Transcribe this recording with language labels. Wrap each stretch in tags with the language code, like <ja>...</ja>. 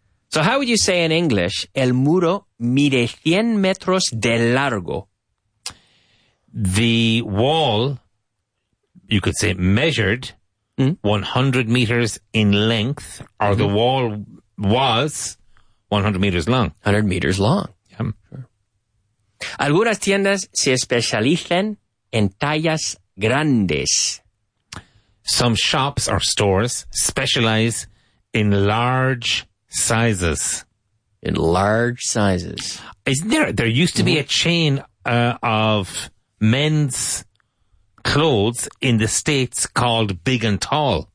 <en>So how would you say in English,</en> <es>el muro mide 100 metros de largo?</es> <en>The wall, you could say, measured 100 meters in length, or the wall was 100 meters long. 100 meters long. Yeah.</en> <es>Algunas tiendas se especializan en tallas grandes.</es> <en>Some shops or stores specialize in large sizes. In large sizes. Isn't there? There used to be a chain of men's clothes in the States called Big and Tall.</en>